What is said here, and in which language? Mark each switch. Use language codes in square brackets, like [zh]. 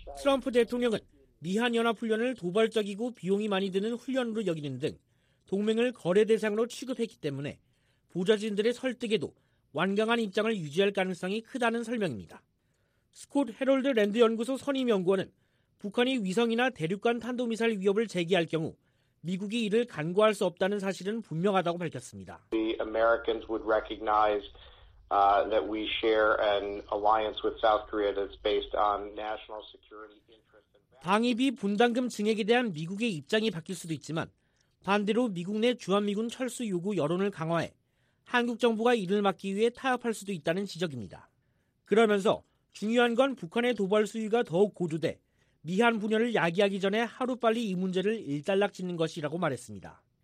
[ko] 트럼프 대통령은 미한연합훈련을 도발적이고 비용이 많이 드는 훈련으로 여기는 등 동맹을 거래 대상으로 취급했기 때문에 보좌진들의 설득에도 완강한 입장을 유지할 가능성이 크다는 설명입니다. 스콧 헤럴드 랜드 연구소 선임연구원은 북한이 위성이나 대륙간 탄도미사일 위협을 제기할 경우 미국이 이를 간과할 수 없다는 사실은 분명하다고 밝혔습니다. [en] The Americans would recognize that we share an alliance with South Korea that's based on national security interests. [ko] 방위비 분담금 증액에 대한 미국의 입장이 바뀔 수도 있지만 반대로 미국 내 주한미군 철수 요구 여론을 강화해 한국 정부가 이를 막기 위해 타협할 수도 있다는 지적입니다. 그러면서 중요한 건 북한의 도발 수위가 더욱 고조돼 미한 분열을 야기하기 전에 하루빨리 이 문제를 일단락 짓는 것이라고 말했습니다.